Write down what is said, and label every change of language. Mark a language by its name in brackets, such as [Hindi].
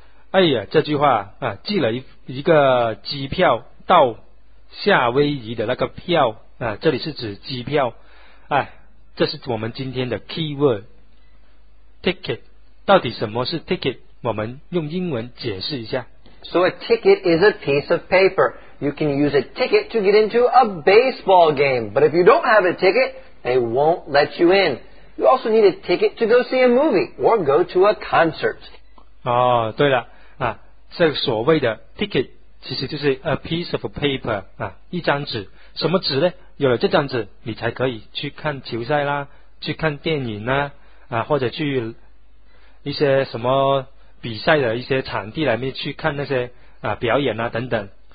[Chinese] 哎呀，这句话寄了一个机票到夏威夷的那个票这里是指机票。哎，这是我们今天的 keyword ticket。到底什么是 ticket， 我们用英文解释一下。 [English] So a ticket is a piece of paper. You can use a ticket to get into a baseball game. But if you don't have a ticket, they won't let you in. You also need a ticket to go see a movie or go to a concert. [Chinese] 哦，对了，这所谓的 ticket 其实就是 [English] a piece of paper， [Chinese] 一张纸。什么纸呢？有了这张纸，你才可以去看球赛啦，去看电影啦，或者去一些什么比赛的一些场地来面去看那些表演啦等等。